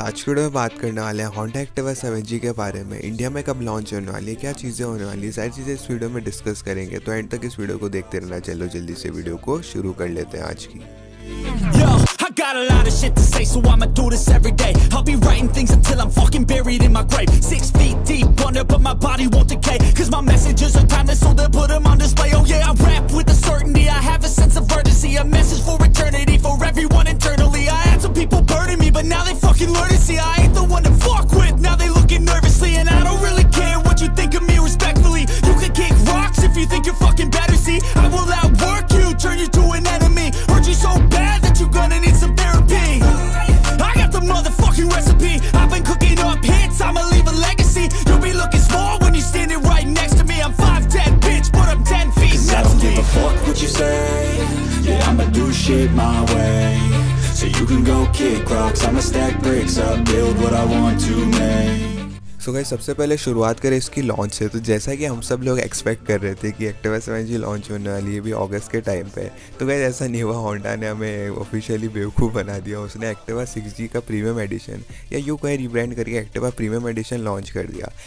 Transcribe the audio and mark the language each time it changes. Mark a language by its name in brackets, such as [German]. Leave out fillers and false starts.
[Hindi] आज के वीडियो में बात करने वाले हैं होंडा एक्टिवा 7G के बारे में, इंडिया में कब लॉन्च होने वाली है, क्या चीज़ें होने वाली है, सारी चीज़ें इस वीडियो में डिस्कस करेंगे। तो एंड तक इस वीडियो को देखते रहना। चलो जल्दी से वीडियो को शुरू कर लेते हैं आज की। [English] Got a lot of shit to say, so I'ma do this every day. I'll be writing things until I'm fucking buried in my grave. 6 feet deep under, but my body won't decay. 'Cause my messages are timeless, so they'll put them on display. Oh yeah, I rap with a certainty. I have a sense of urgency. A message for eternity, for everyone internally. I had some people burning me, but now they fucking learn to see. I ain't the one to fuck with, now they looking nervously. And I don't really care what you think of me respectfully. You can kick rocks if you think you're fucking better, see. I will outwork you, turn you to an enemy. Hurt you so bad that you're gonna need some therapy. I got the motherfucking recipe. I've been cooking up hits, I'ma leave a legacy. You'll be looking small when you're standing right next to me. I'm 5'10", bitch, but I'm 10 feet next to me. 'Cause I don't give a fuck what you say. Yeah, I'ma do shit my way. So you can go kick rocks, I'ma stack bricks up, build what I want to make. [Hindi] तो guys सबसे पहले शुरुआत करें इसकी launch से। तो जैसा कि हम सब लोग एक्सपेक्ट कर रहे थे कि एक्टिवा 7G लॉन्च होने वाली है भी अगस्त के टाइम पे, तो गाइस ऐसा नहीं हुआ। होंडा ने हमें ऑफिशियली बेवकूफ़ बना दिया। उसने एक्टिवा 6G का प्रीमियम एडिशन, या यू कहें रीब्रांड करके एक्टिवा प्रीमियम एडिशन लॉन्च कर दिया।